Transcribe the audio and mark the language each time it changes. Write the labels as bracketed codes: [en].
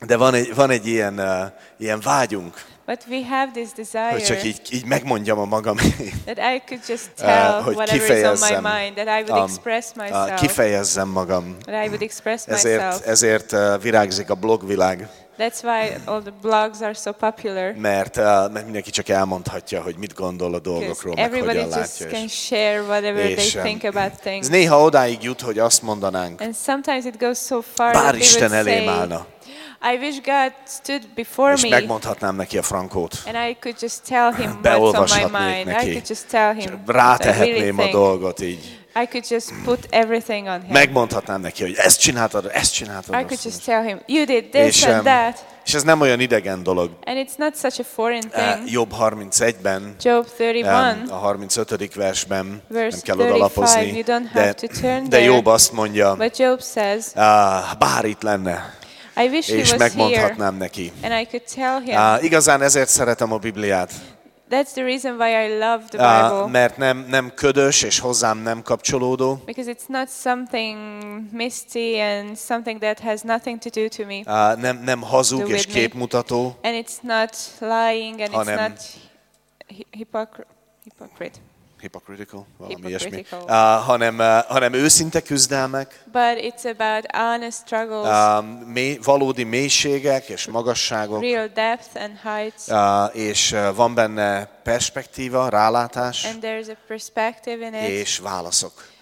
[hu] De van egy ilyen vágyunk. [en] But we have this desire. [hu] Hogy csak így megmondjam a magam. [en] That I could just tell whatever is on my mind, that I would express myself. [hu] Kifejezzem magam. [en] That I would express myself. [hu] Ezért virágzik a blogvilág. [en] That's why all the blogs are so popular. [hu] Mert mindenki csak elmondhatja, hogy mit gondol a dolgokról, meg hogyan látja. [en] Everybody just can share whatever they think about things. [hu] Néha odáig jut, hogy azt mondanánk. [en] And sometimes it goes so far that [hu] Isten elém állna. [en] I wish God stood before me. [hu] És megmondhatnám neki a frankót. [en] And I could just tell him what's on my mind. [hu] Neki. [en] I could just tell him. [hu] Rátehetném a dolgot így. [en] I could just put everything on him. [hu] Megmondhatnám neki, hogy ezt csináltad. [en] I could just tell him, you did this and that. [hu] És ez nem olyan idegen dolog. [en] And it's not such a foreign thing. [hu] Job 31-ben, [en] Job 31, [hu] a 35. versben, [en] verse [hu] nem kell odalapozni, de Job azt mondja, [en] but Job says, [hu] bár itt lenne, [en] I wish he [hu] és [en] was [hu] megmondhatnám [en] here, [hu] neki. [en] And I could tell him. [hu] Igazán ezért szeretem a Bibliát. [en] That's the reason why I love the Bible. [hu] Mert nem ködös és hozzám nem kapcsolódó. [en] Because it's not something misty and something that has nothing to do to me. [hu] Nem hazug és képmutató. [en] And it's not lying and it's not hypocrite. Hypocritical, [hu] valami ilyesmi. Hanem őszinte küzdelmek. [en] But it's about honest struggles. [hu] Valódi mélységek és magasságok. [en] Real depth and heights. [hu] És van benne perspektíva, rálátás. [en] And there's a perspective in it. [hu] És válaszok.